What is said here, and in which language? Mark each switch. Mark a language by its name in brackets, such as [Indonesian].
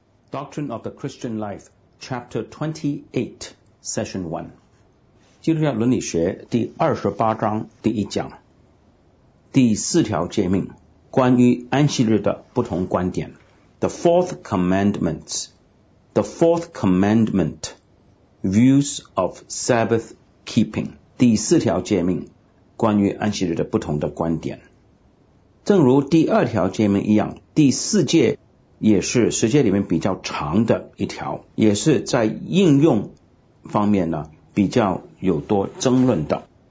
[English] Doctrine of the Christian Life, Chapter 28, Session 1. [Chinese] 基督教伦理学第28章第一讲。第四条诫命，关于安息日的不同观点。 [English] The Fourth Commandment, The Fourth Commandment, Views of Sabbath Keeping. [Chinese] 第四条诫命，关于安息日的不同的观点。正如第二条诫命一样，第四诫也是十诫里面比较长的一条，也是在应用方面呢比较有多争论的。